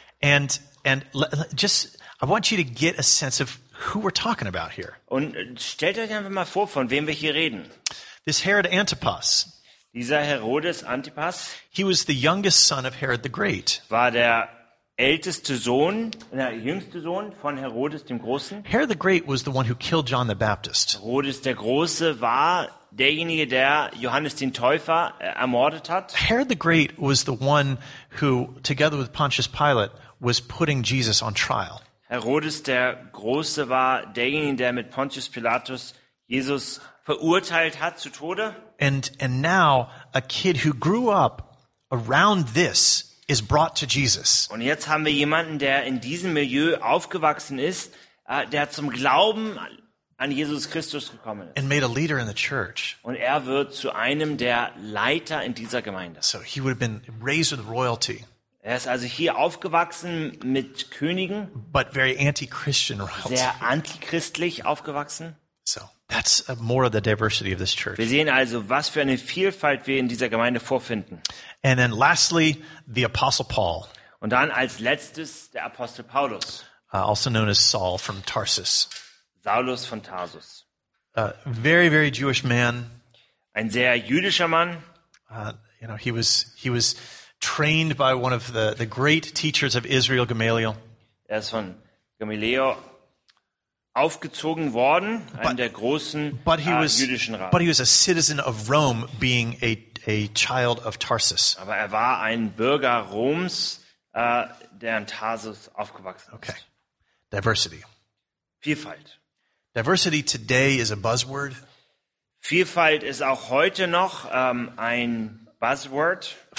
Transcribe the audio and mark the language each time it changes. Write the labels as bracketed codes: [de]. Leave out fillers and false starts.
[en] And I want you to get a sense of who we're talking about here. [de] Und stellt euch einfach mal vor, von wem wir hier reden. [en] This Herod Antipas. [de] Dieser Herodes Antipas. [en] He was the youngest son of Herod the Great. [de] War der älteste Sohn, der jüngste Sohn von Herodes dem Großen. [en] Herod the Great was the one who killed John the Baptist. [de] Herodes der Große war derjenige, der Johannes den Täufer ermordet hat. [en] Herod the Great was the one who, together with Pontius Pilate, was putting Jesus on trial. [de] Herodes der Große war derjenige, der mit Pontius Pilatus Jesus verurteilt hat zu Tode. [en] And now a kid who grew up around this is brought to Jesus. [de] Und jetzt haben wir jemanden, der in diesem Milieu aufgewachsen ist, der zum Glauben an Jesus Christus gekommen ist. [en] And made a leader in the church. [de] Und er wird zu einem der Leiter in dieser Gemeinde. [en] So he would have been raised with royalty. [de] Er ist also hier aufgewachsen mit Königen. [en] But very anti-Christian royalty. [de] Sehr antichristlich aufgewachsen. So [en] That's more of the diversity of this church. [de] Wir sehen also, was für eine Vielfalt wir in dieser Gemeinde vorfinden. [en] And then lastly, the Apostle Paul. [de] Und dann als letztes der Apostel Paulus. [en] Also known as Saul from Tarsus. [de] Saulus von Tarsus. [en] A very, very Jewish man. [de] Ein sehr jüdischer Mann. [en] You know, he was trained by one of the great teachers of Israel, Gamaliel. [de] Er ist von Gamaliel aufgezogen worden, einem der großen jüdischen Rabbi. [en] But he was a citizen of Rome, being a child of Tarsus. [de] Aber er war ein Bürger Roms, der in Tarsus aufgewachsen ist. [en] Okay. Diversity. [de] Vielfalt. [en] Diversity today is a buzzword. [de] Vielfalt ist auch heute noch ein buzzword.